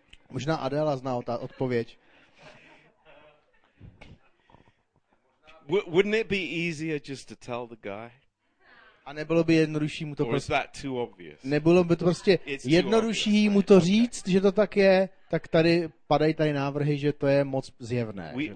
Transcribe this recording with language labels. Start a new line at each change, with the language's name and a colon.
Czech: Možná Adela zná odpověď.
English: Wouldn't it be easier just to tell the guy?
Czech: A nebylo by jednodušší mu to prostě...
English: Or is that too obvious?
Czech: Nebylo by to prostě jednodušší mu to říct, že to tak je, tak tady padají tady návrhy, že to je moc zjevné.